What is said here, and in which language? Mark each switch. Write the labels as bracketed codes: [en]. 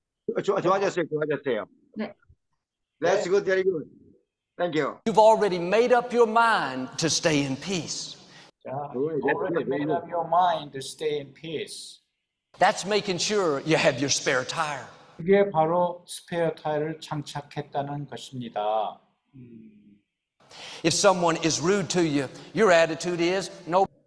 [ko] 좋아졌어요. 네. [en] That's good. Thank you. You've already made up your mind to stay in peace. You've already made up your mind to stay in peace. That's making sure you have your spare tire. [ko] 이게 바로 스페어 타이어를 장착했다는 것입니다. [en] If someone is rude to you, your attitude is no.